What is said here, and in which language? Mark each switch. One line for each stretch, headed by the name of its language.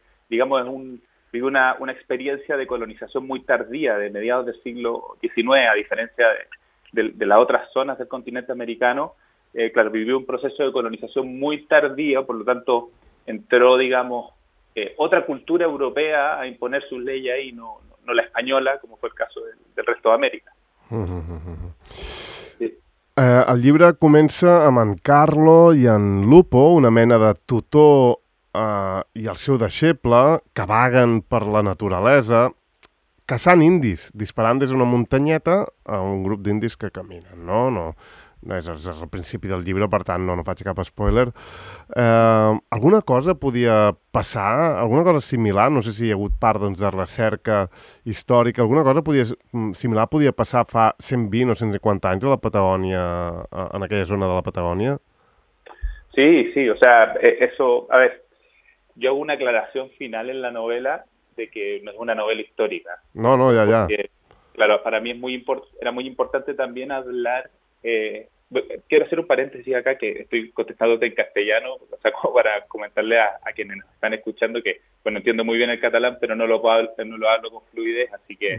Spanish: Digamos, es una experiencia de colonización muy tardía, de mediados del siglo XIX, a diferencia de las otras zonas del continente americano. Claro, vivió un proceso de colonización muy tardío, por lo tanto, entró, digamos, otra cultura europea a imponer sus leyes ahí, no la española, como fue el caso del resto de América.
Catalan: El llibre comença amb en Carlo i en Lupo, una mena de tutor i el seu deixeble, que vaguen per la naturalesa, caçant indis, disparant des d'una muntanyeta a un grup d'indis que caminen. No, és el principi del llibre, per tant no faig cap spoiler. Alguna cosa podia passar, alguna cosa similar, no sé si hi ha hagut part doncs, de recerca històrica, alguna cosa similar podia passar fa 120 o 150 anys a la Patagònia, en aquella zona de la Patagònia?
Spanish: Sí, o sea, eso, a ver, yo hago una aclaración final en la novela de que no es una novela histórica. No, ya. Porque, claro, para mí era muy importante también hablar. Quiero hacer un paréntesis acá, que estoy contestándote en castellano, o sea, como para comentarle a quienes nos están escuchando que, bueno, entiendo muy bien el catalán, pero no lo hablo con fluidez, así que...